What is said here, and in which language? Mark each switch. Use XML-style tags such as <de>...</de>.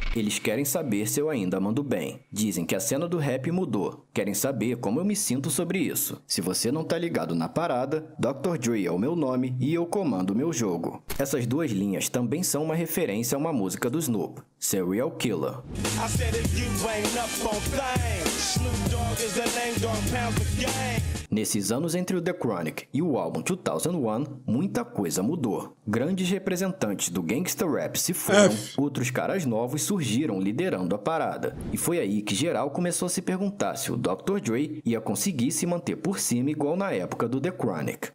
<pt>Eles querem saber se eu ainda mando bem. Dizem que a cena do rap mudou. Querem saber como eu me sinto sobre isso. Se você não tá ligado na parada, Dr. Dre é o meu nome e eu comando o meu jogo. Essas duas linhas também são uma referência a uma música do Snoop, Serial Killer.</pt> <en>I said if you ain't up on things, Snoop Dogg is the name, don't pound the gang.</en> <pt>Nesses anos entre o The Chronic e o álbum 2001, muita coisa mudou. Grandes representantes do gangsta rap se foram, outros caras novos surgiram liderando a parada. E foi aí que geral começou a se perguntar se o Dr. Dre ia conseguir se manter por cima igual na época do The Chronic.</pt>